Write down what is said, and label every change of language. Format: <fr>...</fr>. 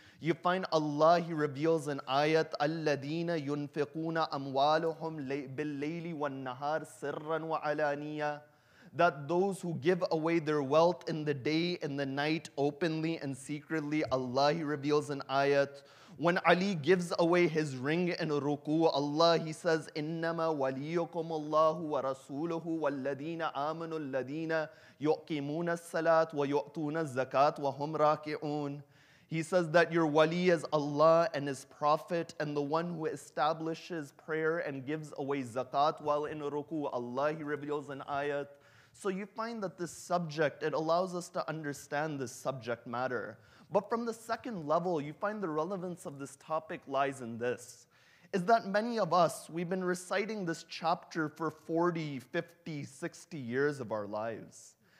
<en>You find Allah, he reveals an ayat,</en> <ar>الَّذِينَ يُنْفِقُونَ أَمْوَالُهُمْ بِاللَّيْلِ وَالنَّهَارِ سِرًّا وَعَلَانِيَةً.</ar> <en>That those who give away their wealth in the day and the night openly and secretly, Allah, he reveals an ayat. When Ali gives away his ring in ruku, Allah, he says,</en> <ar>إِنَّمَا وَلِيُّكُمُ اللَّهُ وَرَسُولُهُ وَالَّذِينَ آمَنُوا الَّذِينَ يُؤْقِمُونَ السَّلَاةِ وَيُؤْتُونَ الزَّكَاةِ وَهُمْ رَاكِعُونَ.</ar> <en>He says that your wali is Allah and his prophet and the one who establishes prayer and gives away zakat while in ruku, Allah, he reveals an ayat. So you find that this subject, it allows us to understand this subject matter. But from the second level, you find the relevance of this topic lies in this, is that many of us, we've been reciting this chapter for 40, 50, 60 years of our lives.</en>